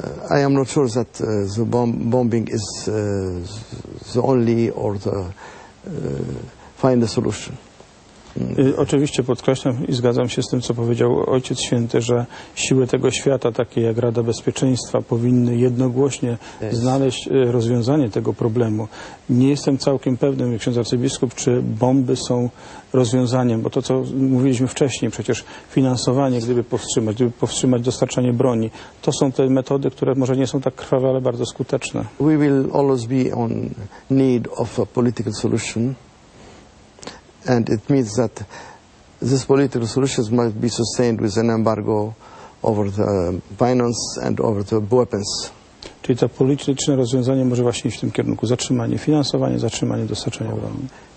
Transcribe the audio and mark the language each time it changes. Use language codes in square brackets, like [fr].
[en] I am not sure that the bombing is the only or the find the solution. [pl] Oczywiście podkreślam i zgadzam się z tym, co powiedział Ojciec Święty, że siły tego świata, takie jak Rada Bezpieczeństwa, powinny jednogłośnie znaleźć rozwiązanie tego problemu. Nie jestem całkiem pewnym, ksiądz arcybiskup, czy bomby są rozwiązaniem, bo to, co mówiliśmy wcześniej, przecież finansowanie, gdyby powstrzymać dostarczanie broni, to są te metody, które może nie są tak krwawe, ale bardzo skuteczne. [en] We will always be on need of a political solution. And it means that this political solutions must be sustained with an embargo over the finance and over the weapons. [pl] Czyli to polityczne rozwiązanie może właśnie iść w tym kierunku. Zatrzymanie finansowania, zatrzymanie dostarczania broni.